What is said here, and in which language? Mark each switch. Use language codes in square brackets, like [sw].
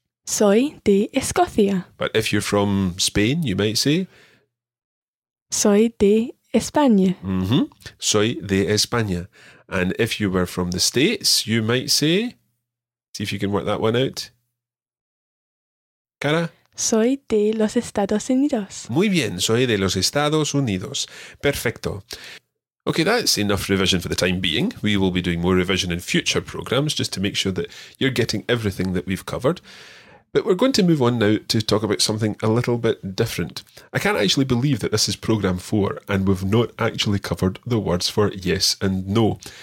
[es] Soy de Escocia. [en] But if you're from Spain, you might say? [es] Soy de España. Mm-hmm. Soy de España. [en] And if you were from the States, you might say? See if you can work that one out. Cara? [es] Soy de los Estados Unidos. Muy bien, soy de los Estados Unidos. Perfecto. [en] Okay, that's enough revision for the time being. We will be doing more revision in future programs just to make sure that you're getting everything that we've covered. But we're going to move on now to talk about something a little bit different. I can't actually believe that this is program 4 and we've not actually covered the words for yes and no.